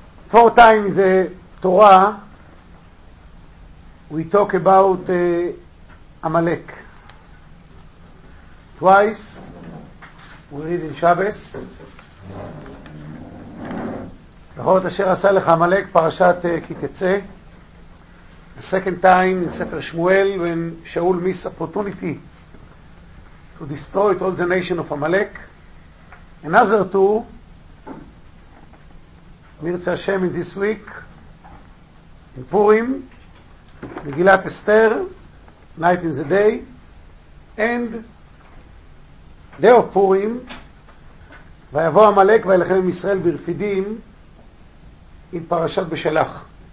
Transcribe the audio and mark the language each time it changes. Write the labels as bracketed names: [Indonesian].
[English] Four times the Torah we talk about Amalek. Twice we read in Shabbos. [Hebrew] זכור את אשר עשה לך עמלק, פרשת כי תצא. [English] The second time in ספר שמואל, when שאול miss opportunity to destroy all the nation of Amalek. Another two, מרצה השם in this week, in Purim, מגילת אסתר, night in the day, and day of Purim, [Hebrew] ויבוא עמלק וילחם עם ישראל ברפידים, [English] in פרשת בשלח.